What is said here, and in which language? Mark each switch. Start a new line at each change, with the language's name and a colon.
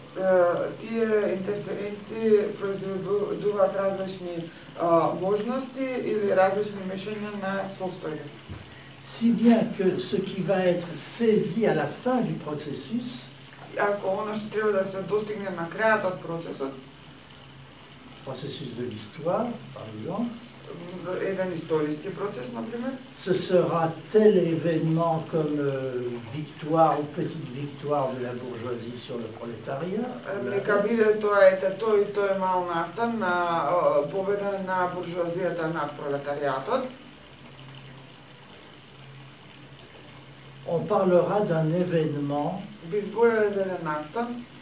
French: Ces interférences produisent différentes possibilités ou différents mélanges de composants. Si bien que ce qui va être saisi à la fin du processus, processus de l'histoire, par exemple.
Macedonian: Еден историски процес, например.
French: Ce sera tel événement comme victoire ou petite victoire de la bourgeoisie sur le prolétariat.
Macedonian: Нека биде тоа ете тој тој мал настан на победа на буржуазијата над пролетаријатот.
French: On parlera d'un événement.
Macedonian: Би зборувале за еден настан.